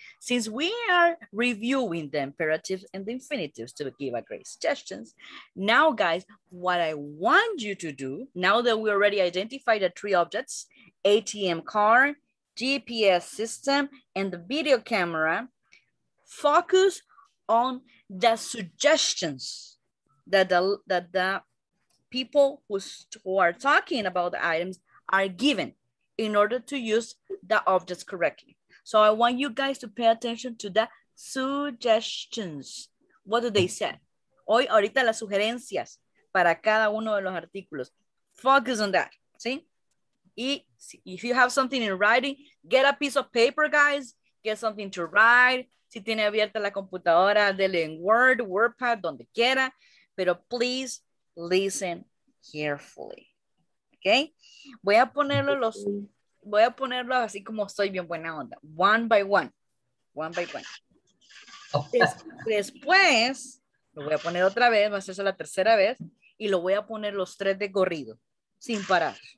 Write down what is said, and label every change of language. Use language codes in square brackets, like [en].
[en] Since we are reviewing the imperatives and the infinitives to give a great suggestions, now, guys, what I want you to do, now that we already identified the 3 objects, ATM card, GPS system, and the video camera, focus on the suggestions that the people who are talking about the items are given in order to use the objects correctly. So I want you guys to pay attention to the suggestions. What do they say? [es] Hoy, ahorita las sugerencias para cada uno de los artículos. [en] Focus on that, see? If you have something in writing, get a piece of paper, guys. get something to write. [es] Si tiene abierta la computadora, dele en Word, WordPad, donde quiera. Pero [en] please listen carefully. ¿Ok? [es] Voy a ponerlo los... Voy a ponerlo así como estoy bien buena onda. [en] One by one. One by one. [es] Después, lo voy a poner otra vez, va a ser la tercera vez, y lo voy a poner los tres de corrido, sin parar.